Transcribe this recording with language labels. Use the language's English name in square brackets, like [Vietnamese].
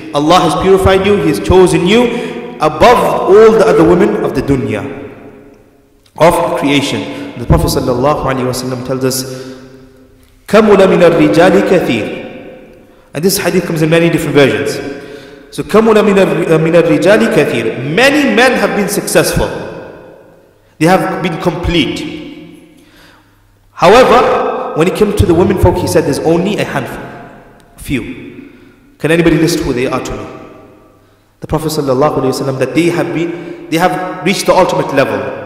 [English] Allah has purified you, He has chosen you above all the other women of the dunya, of creation. The Prophet sallallahu alaihi wasallam tells us, [Arabic] كَمُلَ مِنَ الرِّجَالِ كَثِيرٌ. [English] And this hadith comes in many different versions. [Arabic] So كَمُلَ مِنَ الرِّجَالِ كَثِيرٌ. [English] Many men have been successful. They have been complete. However, when it came to the women folk, he said there's only a handful, a few. Can anybody list who they are to me? The Prophet sallallahu alaihi wasallam, that they have reached the ultimate level.